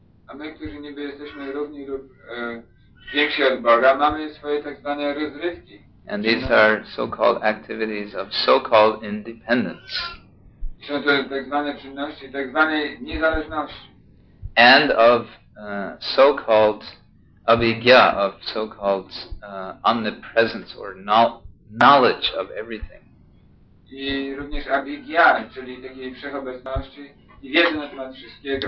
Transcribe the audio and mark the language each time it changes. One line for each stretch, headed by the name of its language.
Polish: A my, którzy niby jesteśmy równi lub większi od Boga, mamy swoje tak zwane rozrywki.
English: And these are so-called activities of so-called independence.
Polish: I są to tak zwane czynności, tak zwanej niezależności.
English: And of so-called abhigya, of so-called omnipresence or knowledge of everything.
Polish: I również abhigya, czyli takiej wszechobecności i wiedzy na temat wszystkiego.